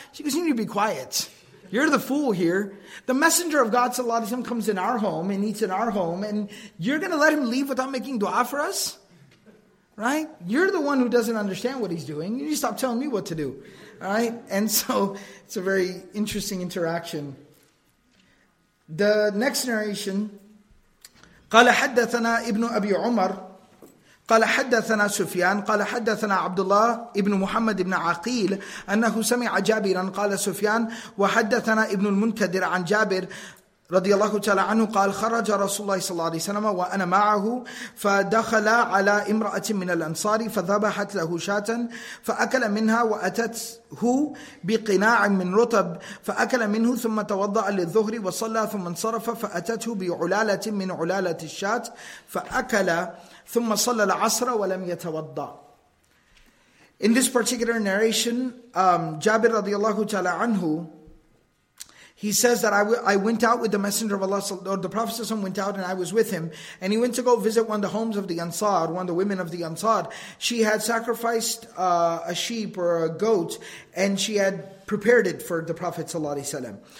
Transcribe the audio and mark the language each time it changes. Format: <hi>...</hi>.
<en>She goes, you need to be quiet. You're the fool here. The Messenger of God, sallallahu alayhi wa sallam, comes in our home and eats in our home, and you're going to let him leave without making dua for us? Right? You're the one who doesn't understand what he's doing. You need to stop telling me what to do. All right? And so, it's a very interesting interaction. The next narration,</en> <ar>قَالَ حَدَّثَنَا إِبْنُ أَبِي عُمَرَ قَالَ حَدَّثَنَا سُفْيَانَ قَالَ حَدَّثَنَا عَبْدُ اللَّهِ ابن محمد ابن عقيل أنه سمع جابرا قال سفيان وحدثنا ابن المنكدر عن جابر رضي الله تعالى عنه قال خرج رسول الله صلى الله عليه وسلم وأنا معه فدخل على امرأة من الأنصار فذبحت له شاة فأكل منها وأتته بقناع من رطب فأكل منه ثم توضأ للظهر وصلى ثم انصرف فأتته بعلالة من علالة الشاة فأكل ثم صلى العصر ولم يتوضأ.</ar> <en>In this particular narration, Jabir radiallahu ta'ala anhu, he says that I went out with the Messenger of Allah, or the Prophet ﷺ went out and I was with him, and he went to go visit one of the homes of the Ansar, one of the women of the Ansar. She had sacrificed a sheep or a goat, and she had prepared it for the Prophet ﷺ.</en>